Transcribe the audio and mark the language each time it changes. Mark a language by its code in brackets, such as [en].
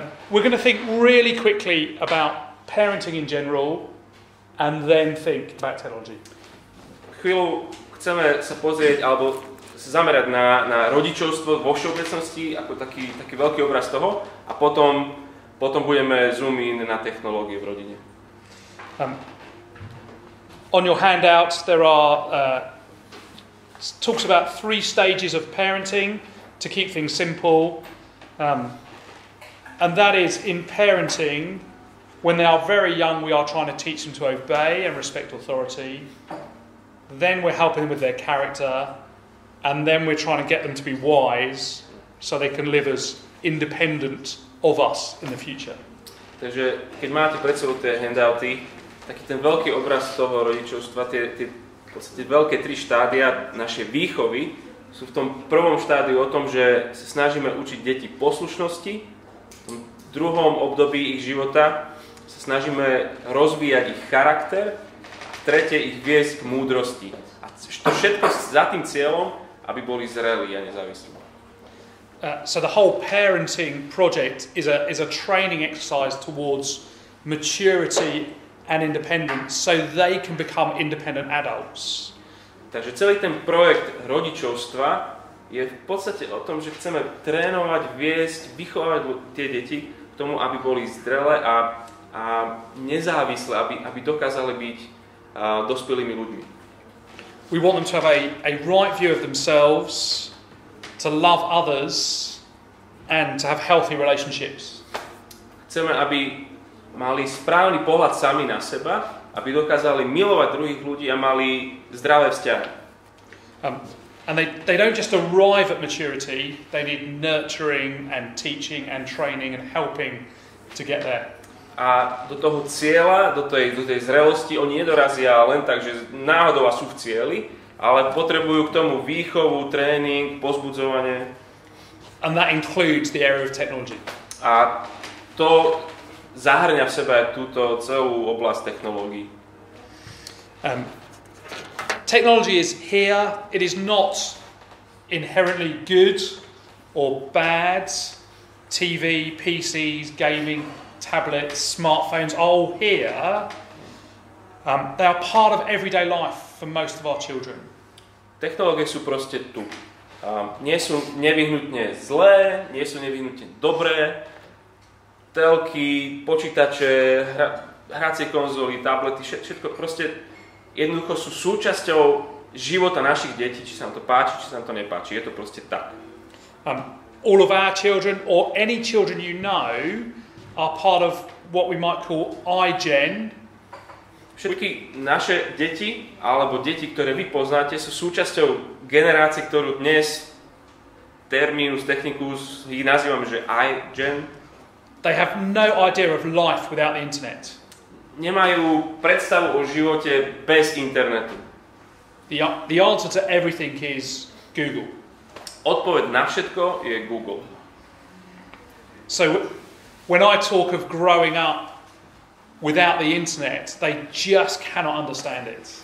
[en] We're going to think really quickly about parenting in general and then think about technology. [sk] chvíľu chceme sa pozrieť alebo sa zamerať na rodičovstvo vo všeobecnosti ako taký veľký obraz toho a potom budeme [en] zoom in [sk] na technológie v rodine. [en] On your handout there are talks about three stages of parenting to keep things simple. And that is in parenting, when they are very young, we are trying to teach them to obey and respect authority. Then we're helping them with their character. And then we're trying to get them to be wise so they can live as independent of us in the future. [sk] Takže keď máte pred sebou tie handouty, taký ten veľký obraz toho rodičovstva, tie v podstate veľké tri štádia našej výchovy sú v tom prvom štádiu o tom, že sa snažíme učiť deti poslušnosti. V tom druhom období ich života sa snažíme rozvíjať ich charakter, tretie ich viesť k múdrosti. A to všetko za tým cieľom, aby boli zrelí a nezávislí. [en] So the whole parenting project is a training exercise towards maturity and independence so they can become independent adults. [sk] Takže celý ten projekt rodičovstva je v podstate o tom, že chceme trénovať, viesť, vychovávať tie deti k tomu, aby boli zdrelé a nezávislé, aby dokázali byť dospelými ľuďmi. [en] We want them to have a right view of themselves, to love others and to have healthy relationships. [sk] Chceme, aby mali správny pohľad sami na seba, aby dokázali milovať druhých ľudí a mali zdravé vzťahy. [en] And they don't just arrive at maturity, they need nurturing and teaching and training and helping to get there. [sk] A do toho cieľa, do tej zrelosti, oni nedorazia len tak, že náhodou a sú v cieli, ale potrebujú k tomu výchovu, tréning, pozbudzovanie. [en] And that includes the area of technology. [sk] A to zahŕňa v sebe túto celú oblasť technológií. [en] Technology is here. It is not inherently good or bad. TV, PCs, gaming, tablets, smartphones, all here. They are part of everyday life for most of our children. [sk] Technológie sú proste tu. Nie sú nevyhnutne zlé, nie sú nevyhnutne dobré. Telky, počítače, hracie konzoly, tablety, všetko proste jednoducho sú súčasťou života našich detí, či sa nám to páči, či sa nám to nepáči. Je to proste tak. [en] All of our children, or any children you know, are part of what we might call iGen. [sk] Všetky naše deti, alebo deti, ktoré vy poznáte, sú súčasťou generácie, ktorú dnes terminus technicus, ich nazývame, že iGen. [en] They have no idea of life without the internet. [sk] Nemajú predstavu o živote bez internetu. [en] The answer to everything is Google. [sk] Odpoveď na všetko je Google. [en] So when I talk of growing up without the internet, they just cannot understand it.